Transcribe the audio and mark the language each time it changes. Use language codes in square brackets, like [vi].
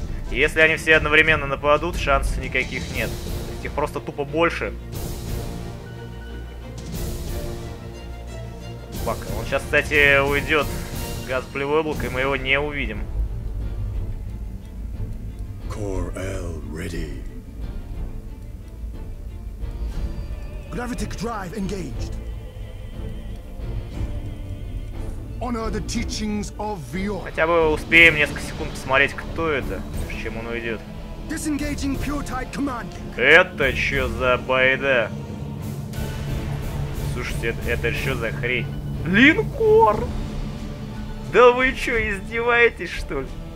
[ru] Если они все одновременно нападут, шансов никаких нет. Их просто тупо больше. Бак, он сейчас, кстати, уйдет в газ-плевой облак, и мы его не увидим. [en] Кор-Эл ready. Gravitic drive engaged. Honor the teachings of Vior. [ru] Хотя бы успеем несколько секунд посмотреть, кто это, с чем он уйдет. [en] Disengaging pure tide commanding. [ru] Это что за байда? Слушайте, это что за хрень? Линкор! Да вы что, издеваетесь, что ли?